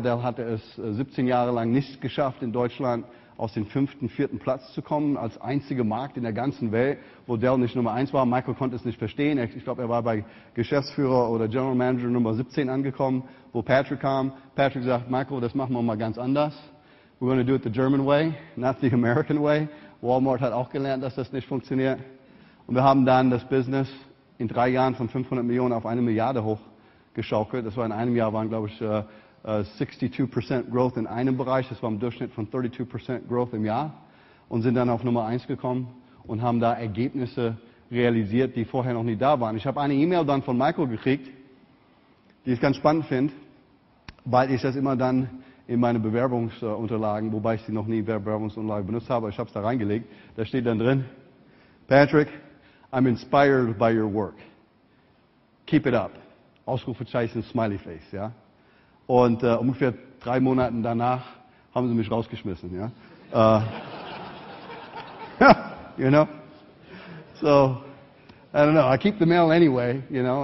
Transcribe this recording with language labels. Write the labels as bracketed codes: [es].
[de] Dell hatte es 17 Jahre lang nicht geschafft, in Deutschland aus dem 5., 4. Platz zu kommen, als einziger Markt in der ganzen Welt, wo Dell nicht Nummer 1 war. Michael konnte es nicht verstehen. Ich glaube, er war bei Geschäftsführer oder General Manager Nummer 17 angekommen, wo Patrick kam. Patrick sagt, Michael, das machen wir mal ganz anders. [en] We're going to do it the German way, not the American way. [de] Walmart hat auch gelernt, dass das nicht funktioniert. Und wir haben dann das Business in 3 Jahren von 500 Millionen auf 1 Milliarde hochgeschaukelt. Das war in einem Jahr, waren glaube ich 62% Growth in einem Bereich. Das war im Durchschnitt von 32% Growth im Jahr. Und sind dann auf Nummer 1 gekommen und haben da Ergebnisse realisiert, die vorher noch nie da waren. Ich habe eine E-Mail dann von Michael gekriegt, die ich ganz spannend finde, weil ich das immer dann in meine Bewerbungsunterlagen, wobei ich sie noch nie in Bewerbungsunterlagen benutzt habe, ich habe es da reingelegt, da steht dann drin, Patrick, [en] I'm inspired by your work. Keep it up. [de] Ausrufezeichen, smiley face, ja. Und ungefähr 3 Monate danach haben sie mich rausgeschmissen, ja. [en] you know? So, I don't know. I keep the mail anyway, you know.